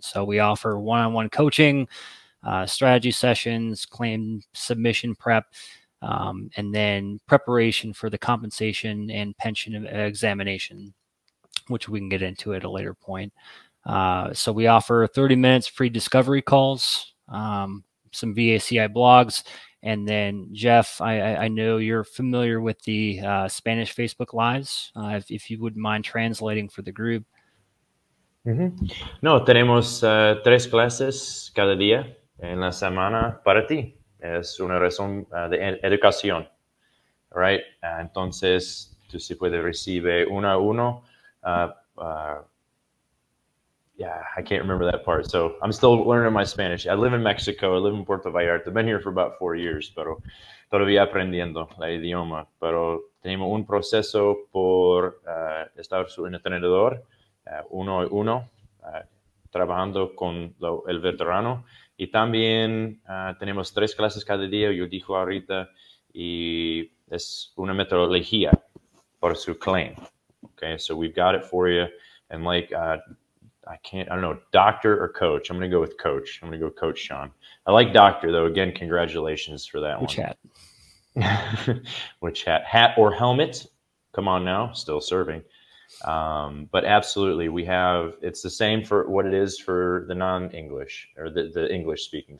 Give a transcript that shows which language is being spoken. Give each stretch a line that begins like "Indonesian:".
English: So we offer one-on-one coaching, strategy sessions, claim submission prep, and then preparation for the compensation and pension examination, which we can get into at a later point. So we offer 30 minutes free discovery calls, some VACI blogs, and then Jeff, I know you're familiar with the Spanish Facebook Lives. If you wouldn't mind translating for the group. Mm-hmm.
Spanish: No, tenemos tres clases cada día en la semana para ti. Es una razón de educación, right? Entonces, tú sí puedes recibir uno a uno.
English: Yeah, I can't remember that part. So I'm still learning my Spanish. I live in Mexico. I live in Puerto Vallarta. I've been here for about 4 years,
Spanish: pero todavía aprendiendo el idioma. Pero tenemos un proceso por estar su entrenador, uno a uno, trabajando con el veterano. Y también tenemos tres clases cada día, yo dijo ahorita, y es una metodología por su claim.
English: Okay, so we've got it for you. And like, I don't know, doctor or coach? I'm going to go with coach. I'm going to go coach Sean. I like doctor, though. Again, congratulations for that. Which one. Hat? Which hat? Hat or helmet? Come on now, still serving. But absolutely, we have, it's the same for what it is for the non-English or the English speaking.